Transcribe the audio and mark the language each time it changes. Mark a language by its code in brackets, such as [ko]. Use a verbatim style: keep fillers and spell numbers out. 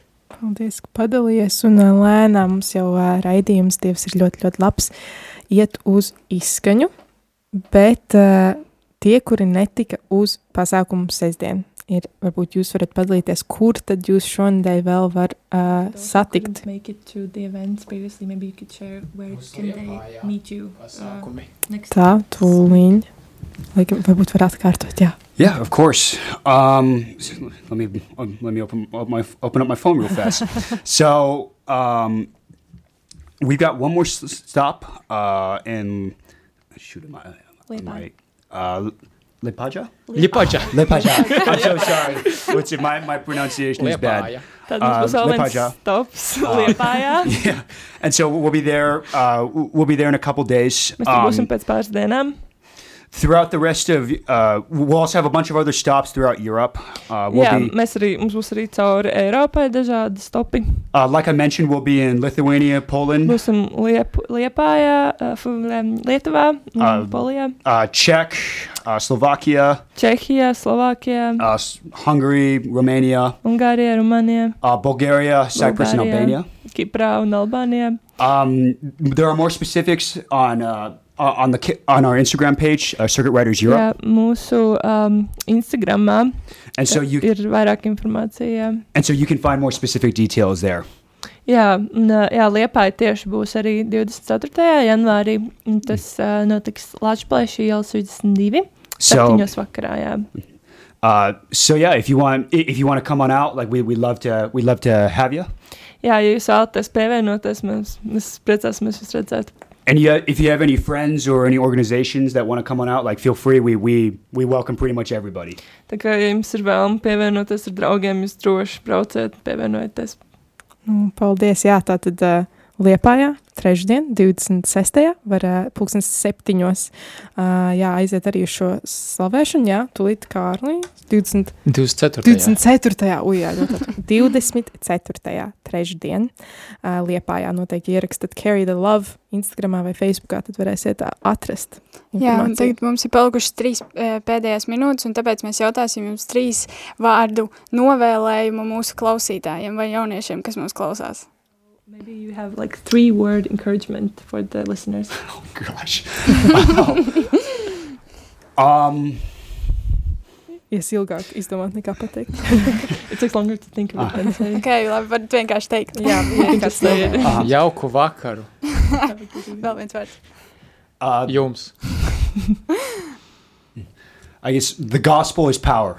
[lv] Paldies, ka padalījies, un lēnām mums jau raidījums Dievs ir ļoti, ļoti labs iet uz izskaņu, bet uh, tie, kuri netika uz pasākumu sestdien, ir, varbūt jūs varat padalīties, kur tad jūs šonedēļ vēl var uh, satikt. [en] Make it to the events previously, maybe you could share where can they meet you. [lv] Pasākumi. Uh, tā, tūliņ. Like, varbūt var atkārtot, jā. [en] Yeah, of course. Um, let me let me open up my open up my phone real fast. So um, we've got one more stop uh, in shoot am I am I uh, Lipaja? Lipaja. Lipaja. I'm so sorry. Which my my pronunciation is bad. [lv] Tad mums būs vēl stops Lipaja. [en] Yeah, and so we'll be there. Uh, we'll be there in a couple days. [lv] Mēs um, būsim pēc pāris dienām. [en] Throughout the rest of, uh, we'll also have a bunch of other stops throughout Europe. Uh, we'll yeah, be, [lv] mēs arī, mums būs arī cauri Eiropai dažādi stopi. [en] Uh, like I mentioned, we'll be in Lithuania, Poland. [lv] Būsim Liep, Liepājā, uh, Lietuvā, uh, Polijā. [en] Uh, Czech, uh, Slovakia. [lv] Čehija, Slovākija. [en] Uh, Hungary, Romania. [lv] Ungārija, Rumānija. [en] Uh, Bulgaria, Cyprus, and Albania. [lv] Kiprā un Albānija. [en] Um, there are more specifics on... Uh, Uh, on the on our Instagram page, uh, Circuit Riders Europe. [lv] Yeah, mūsu um, Instagramā [en] and so you, [lv] ir vairāk informācija. [en] And so you can find more specific details there. [lv] Jā, un, jā Liepāja tieši būs arī divdesmit ceturtajā janvārī. Tas uh, notiks Latvijas ielas divdesmit divi, septiņos vakarā, jā. [en] Uh, so yeah, if you want if you want to come on out, like we we love to we love to have you. [lv] Jā, ja jūs vēlaties pievienoties, mēs, mēs priecāsimies jūs redzēt. [en] And you, if you have any friends or any organizations that want to come on out, like feel free, we we we welcome pretty much everybody. [lv] Tā kā ja jums ir vēlme pievienoties ar draugiem, jūs droši brauciet, pievienojieties. Nu, paldies, jā, tātad uh, Liepājā, trešdien, divdesmit sestajā, var uh, pulkstens septiņos, uh, jā, aiziet arī šo slavēšanu, jā, tulīt Kārlī, divdesmit... divdesmit ceturtajā. divdesmit ceturtajā, uj, jā, divdesmit ceturtajā trešdien, uh, Liepājā noteikti ierakstat Carry the Love Instagramā vai Facebookā, tad varēsiet uh, atrast informāciju. Jā, un tagad mums ir palikušas trīs uh, pēdējās minūtes, un tāpēc mēs jautāsim jums trīs vārdu novēlējumu mūsu klausītājiem vai jauniešiem, kas mūs klausās. [en] Maybe you have like three word encouragement for the listeners. Oh gosh. Wow. um [lv] Yes, ilgāk izdomāt nekā pateikt. [en] It takes longer to think about [lv] it. Ah. Okay, labi, var vienkārši teikt. Jā, vienkārši teikt. Uh, jauku vakaru. Vēl viens vārds. Uh, Jums. [en] I guess the gospel is power.